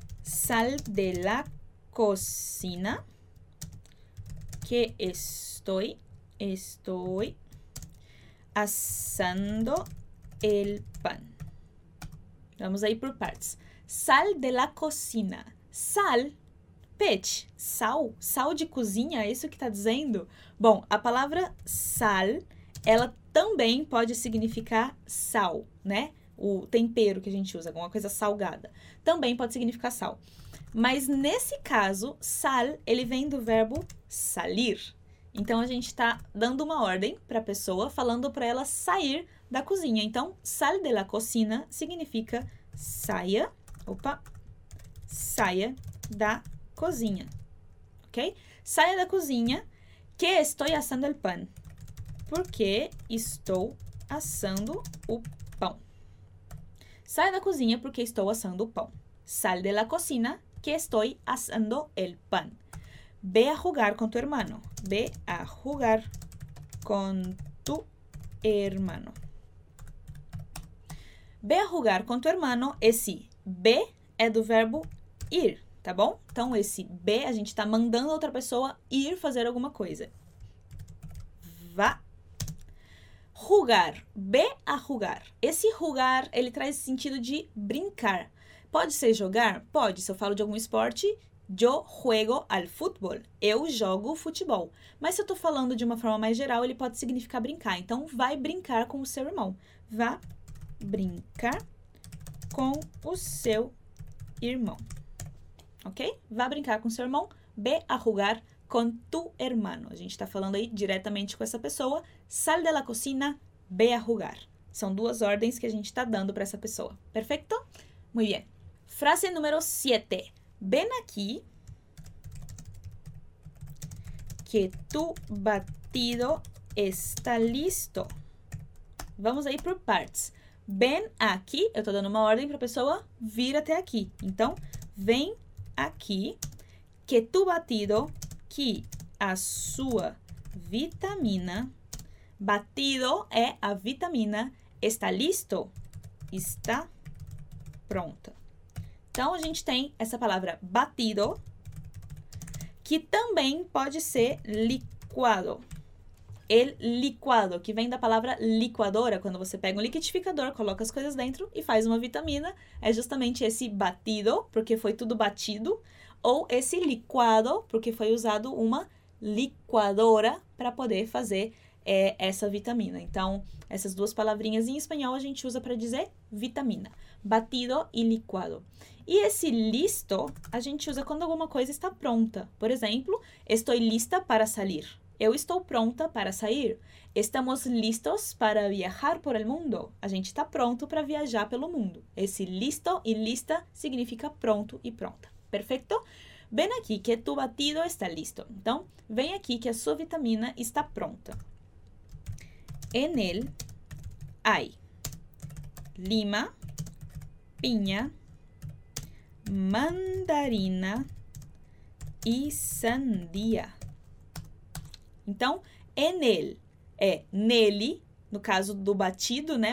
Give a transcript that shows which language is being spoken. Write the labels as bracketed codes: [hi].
[es] Sal de la cocina que estoy asando el pan. [pt] Vamos aí por partes. [es] Sal de la cocina. [pt] Sal, peixe, sal, sal de cozinha, é isso que está dizendo? Bom, a palavra sal, ela também pode significar sal, né? O tempero que a gente usa, alguma coisa salgada. Também pode significar sal. Mas nesse caso, sal, ele vem do verbo salir. Então, a gente está dando uma ordem para a pessoa, falando para ela sair da cozinha. Então, [es] sal de la cocina [pt] significa saia, opa, saia da cozinha, ok? Saia da cozinha, [es] que estoy asando el pan. [pt] Porque estou assando o pão. Saia da cozinha porque estou assando o pão. [es] Sal de la cocina que estoy asando el pan. Ve a jugar con tu hermano. Ve a jugar con tu hermano. Ve a jugar con tu hermano. [pt] Esse ve é do verbo ir, tá bom? Então, esse ve, a gente está mandando outra pessoa ir fazer alguma coisa. Vá. Jugar. [es] Ve a jugar. [pt] Esse jugar, ele traz sentido de brincar. Pode ser jogar? Pode. Se eu falo de algum esporte, [es] yo juego al fútbol. [pt] Eu jogo futebol. Mas se eu estou falando de uma forma mais geral, ele pode significar brincar. Então, vai brincar com o seu irmão. Vá brincar com o seu irmão. Ok? Vá brincar com o seu irmão. [es] Ve a jugar con tu hermano. [pt] A gente está falando aí diretamente com essa pessoa. [es] Sal de la cocina, ve a jugar. [pt] São duas ordens que a gente está dando para essa pessoa. Perfeito? [es] Muy bien. [pt] Frase número 7. [es] Ven aquí que tu batido está listo. [pt] Vamos aí por partes. Ven aquí, eu estou dando uma ordem para a pessoa vir até aqui. Então, vem aqui que tu batido, que a sua vitamina, batido é a vitamina, está listo, está pronta. Então, a gente tem essa palavra batido, que também pode ser licuado. El licuado, que vem da palavra licuadora, quando você pega um liquidificador, coloca as coisas dentro e faz uma vitamina, é justamente esse batido, porque foi tudo batido, ou esse licuado, porque foi usado uma licuadora para poder fazer essa vitamina. Então, essas duas palavrinhas em espanhol a gente usa para dizer vitamina. Batido e licuado. E esse listo a gente usa quando alguma coisa está pronta. Por exemplo, [es] estoy lista para salir. [pt] Eu estou pronta para sair. [es] Estamos listos para viajar por el mundo. [pt] A gente está pronto para viajar pelo mundo. Esse listo e lista significa pronto e pronta. Perfeito? [es] Ven aqui que tu batido está listo. [pt] Então, vem aqui que a sua vitamina está pronta. [es] En él hay lima, piña, mandarina y sandía. [pt] Então, en él é nele, no caso do batido, né?